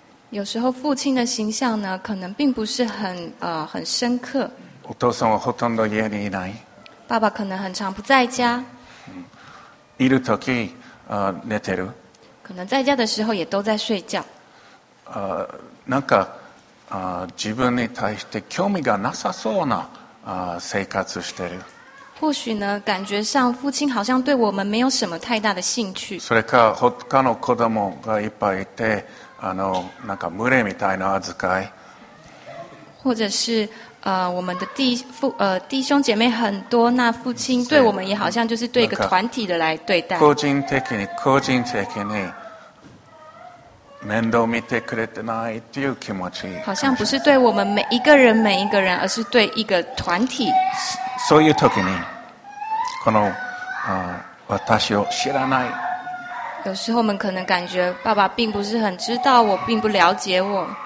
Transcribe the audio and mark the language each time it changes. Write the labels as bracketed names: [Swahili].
[Chinese] 有时候父亲的形象呢，可能并不是很深刻。 [Japanese] お父さんはほとんど家にいない。 [Chinese] 爸爸可能很常不在家。 [Japanese] いるとき、寝てる。 [Chinese] 可能在家的时候也都在睡觉。 [Japanese] なんか、自分に対して興味がなさそうな、生活してる。 [Chinese] 或许呢，感觉上父亲好像对我们没有什么太大的兴趣。 [Japanese] それか他の子供がいっぱいいて。なんか群れみたいな扱い。 [Chinese] 或者是我们的弟兄姐妹很多，那父亲对我们也好像就是对一个团体的来对待。 [Japanese] 個人的に面倒見てくれてないっていう気持ち。 [Chinese] 好像不是对我们每一个人每一个人，而是对一个团体。 [Japanese] そういう時にこの私を知らない。 [Chinese] 有时候我们可能感觉爸爸并不是很知道我，并不了解我。